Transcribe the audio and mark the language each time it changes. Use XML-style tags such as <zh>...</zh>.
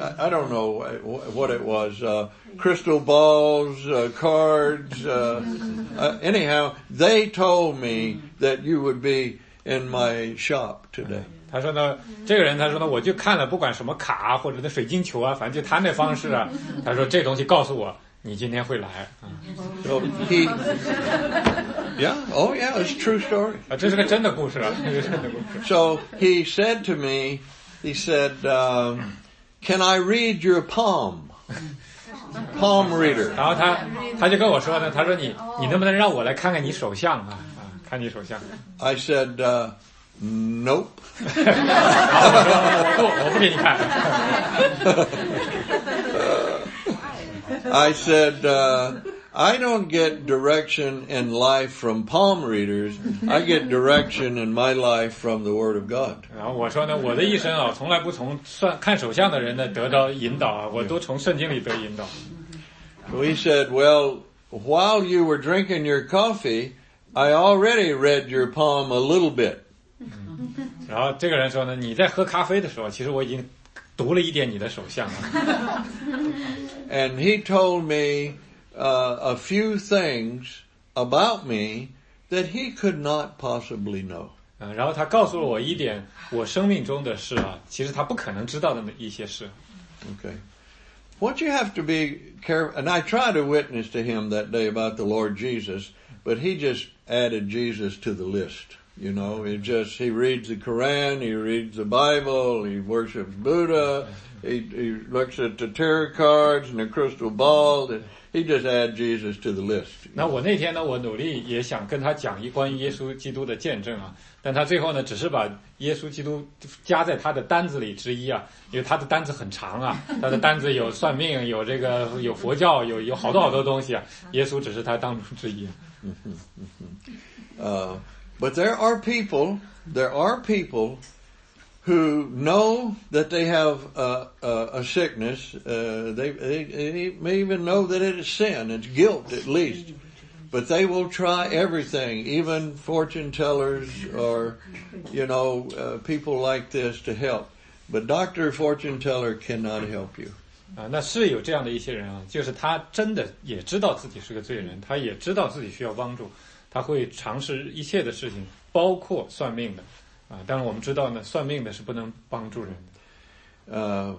<en>I don't know what it was. Crystal balls, cards. Anyhow, they told me that you would be in my shop today.</en> <zh>他说呢，这个人他说呢，我就看了不管什么卡或者那水晶球啊，反正就他那方式啊。他说这东西告诉我。你今天会来、</zh> <en>So、he, yeah, oh yeah, it's a true story.</en> <zh>这是个真的故事啊。</zh> <en>So he said to me, he said, can I read your palm? Palm reader.</en> <zh>然后他就跟我说呢，他说你能不能让我来看看你手相啊，看你手相。</zh> <en>I said, nope.</en> <zh>我不给你看。</zh> <en>I said, I don't get direction in life from palm readers. I get direction in my life from the Word of God.</en> <zh>然后我说呢，我的一生啊，从来不从看手相的人呢得到引导啊，我都从圣经里得引导。</zh> <en>So he said, well, while you were drinking your coffee, I already read your palm a little bit.</en> <zh>然后这个人说呢，你在喝咖啡的时候，其实我已经读了一点你的手相了。</zh> <en>And he told me a few things about me that he could not possibly know.</en> <zh>然后他告诉了我一点我生命中的事啊，其实他不可能知道的一些事。</zh> <en>Okay. What you have to be careful, and I tried to witness to him that day about the Lord Jesus, but he just added Jesus to the list. You know, he reads the Quran, he reads the Bible, he worships Buddha. He looks at the tarot cards and the crystal ball. He just adds Jesus to the list.</en> <zh>那我那天呢，我努力也想跟他讲一关于耶稣基督的见证啊，但他最后呢，只是把耶稣基督加在他的单子里之一啊，因为他的单子很长啊，他的单子有算命，有这个，有佛教，有好多好多东西啊。耶稣只是他当中之一。</zh> <en>But there are people. Who know that they have a sickness, they may even know that it is sin, it's guilt at least. But they will try everything, even fortune tellers or, you know, people like this to help. But Dr. Fortune Teller cannot help you.</en> <zh>那是有这样的一些人啊，就是他真的也知道自己是个罪人，他也知道自己需要帮助，他会尝试一切的事情，包括算命的。但是我们知道呢，算命的是不能帮助人的。</zh>